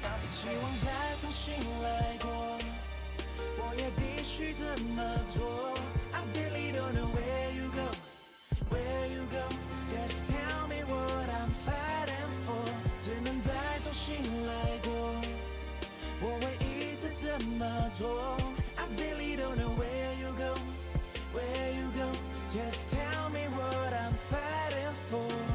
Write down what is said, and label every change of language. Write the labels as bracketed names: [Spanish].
[Chinese] 希望再重新来过，我也必须这么做。 [English] I really don't know where you go, where you go. Just tell me what I'm fighting for. [Chinese] 只能再重新来过，我会一直这么做。 [English] I really don't know where you go, where you go. Just tell me what I'm fighting for.